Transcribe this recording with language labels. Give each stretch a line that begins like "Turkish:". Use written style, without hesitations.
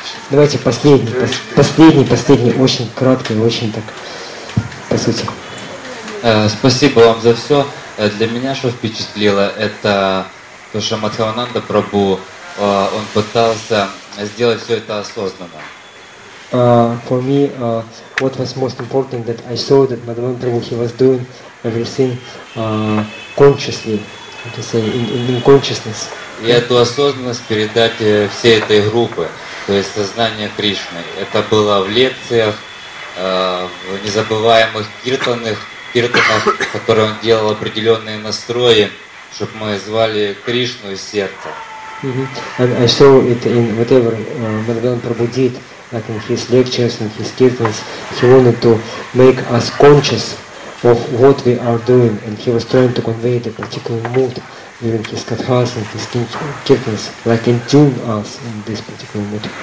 Russian: Давайте последний, очень краткий, очень так, по сути. Спасибо вам за все. Для меня, что впечатлило, это то, что Махаранандане Прабху, он пытался сделать все это осознанно.
English: For me, what was most important that I saw that Madhavananda Prabhu, he was doing everything consciously, how to say, in consciousness.
Russian: И эту осознанность передать всей этой группе, то есть сознание Кришны. Это было в лекциях, в незабываемых киртанах, которые он делал определенные настрои, чтобы мы звали Кришну из сердца.
English: And I saw it in whatever Madhavananda Prabhu did. Like in his lectures and his kirtans, he wanted to make us conscious of what we are doing, and he was trying to convey the particular mood during his kathas and his kirtans, like in tune us in this particular mood.